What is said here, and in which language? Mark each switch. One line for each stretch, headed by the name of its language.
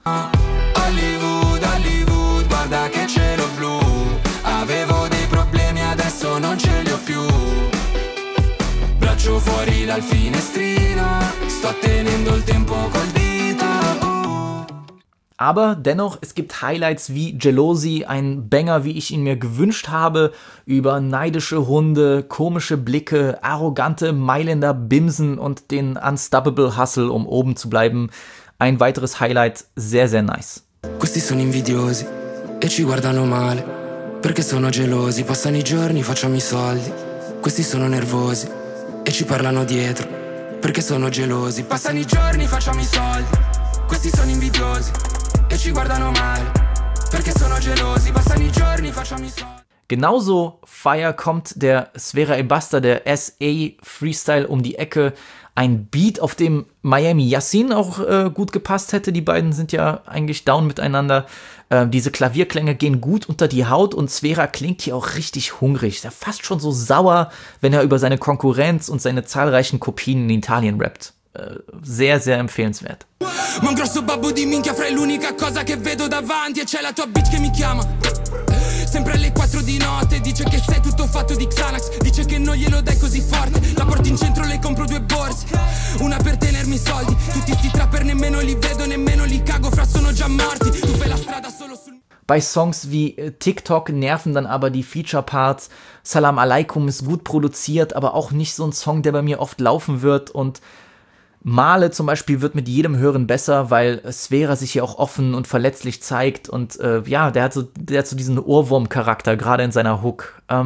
Italian: Hollywood, Hollywood, guarda che cielo blu. Avevo dei problemi, adesso non ce li ho più. Braccio fuori dal finestrino, sto tenendo il tempo col dito.
German: Aber dennoch, es gibt Highlights wie Jealousy, ein Banger, wie ich ihn mir gewünscht habe, über neidische Hunde, komische Blicke, arrogante Mailänder Bimsen und den Unstoppable Hustle, um oben zu bleiben. Ein weiteres Highlight, sehr, sehr nice.
Italian: Questi sono invidiosi e ci guardano male, perché sono gelosi, passano i giorni, facciamo i soldi. Questi sono nervosi e ci parlano dietro, perché sono gelosi, passano i giorni, facciamo i soldi. Questi sono invidiosi e ci guardano male, perché sono gelosi, passano i giorni, facciami soldi.
German: Genauso fire kommt der Svera e Basta, der SA Freestyle um die Ecke. Ein Beat, auf dem Miami Yassin auch gut gepasst hätte. Die beiden sind ja eigentlich down miteinander. Diese Klavierklänge gehen gut unter die Haut und Svera klingt hier auch richtig hungrig. Er ist fast schon so sauer, wenn er über seine Konkurrenz und seine zahlreichen Kopien in Italien rappt. Sehr, sehr empfehlenswert.
Italian: Ma un grosso babbo di minchia fra è l'unica cosa che vedo davanti e c'è la tua bitch che mi chiama. Sempre alle 4 di notte, dice che sei tutto fatto di Xanax, dice che non glielo dai così forte, la porti in centro, le compro due borse, una per tenermi i soldi, tutti sti trapper nemmeno li vedo, nemmeno li cago, fra sono già morti, tu fai la strada solo sul...
German: Bei Songs wie TikTok nerven dann aber die Feature-Parts, Salam Alaikum ist gut produziert, aber auch nicht so ein Song, der bei mir oft laufen wird und... Male zum Beispiel wird mit jedem Hören besser, weil Svera sich hier auch offen und verletzlich zeigt und ja, der hat so diesen Ohrwurm-Charakter, gerade in seiner Hook.